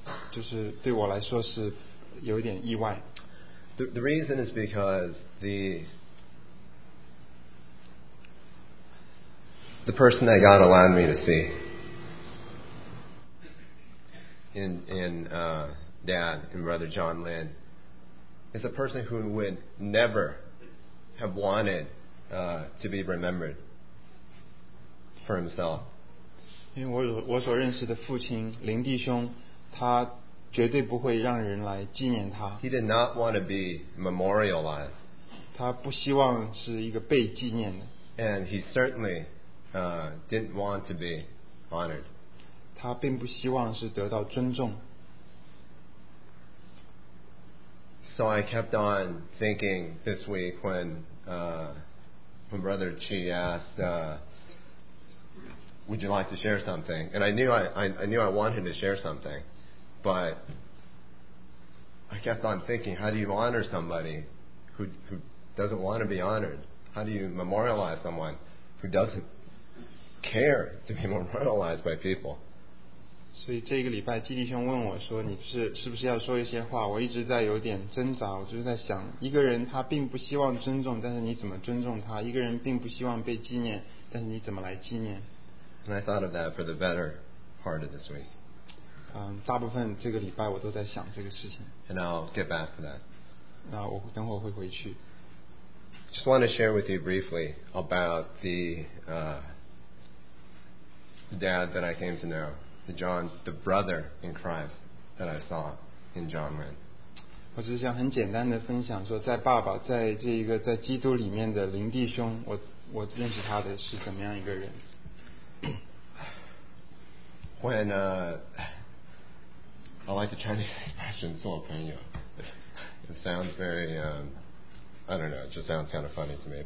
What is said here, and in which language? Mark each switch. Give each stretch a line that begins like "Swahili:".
Chinese: 就是对我来说是有点意外。
English: The reason is because the person that God allowed me to see in Dad and Brother John Lin is a person who would never have wanted to be remembered for himself.
Chinese: 因为我所认识的父亲林弟兄，他绝对不会让人来纪念他。
English: He did not want to be memorialized.
Chinese: 他不希望是一个被纪念的。
English: And he certainly. Didn't want to be honored.
Chinese: 他并不希望是得到尊重。
English: So I kept on thinking this week when when Brother Chi asked, "Would you like to share something?" And I knew I wanted to share something, but I kept on thinking, "How do you honor somebody who doesn't want to be honored? How do you memorialize someone who doesn't?" care to be memorialized by people.
Chinese: 所以这个礼拜基弟兄问我说你是不是要说一些话，我一直在有点挣扎，我就是在想一个人他并不希望尊重，但是你怎么尊重他，一个人并不希望被纪念，但是你怎么来纪念。
English: And I thought of that for the better part of this week.
Chinese: 大部分这个礼拜我都在想这个事情。
English: And I'll get back to that.
Chinese: 那我等会会回去。
English: Just want to share with you briefly about the dad that I came to know. The brother in Christ that I saw in John Wayne.
Chinese: 我只是想很简单的分享说，在爸爸在这一个在基督里面的灵弟兄，我认识他的是怎么样一个人。
English: When I like the Chinese expression
Chinese: 做朋友
English: ，it sounds very I don't know, it just sounds kind of funny to me.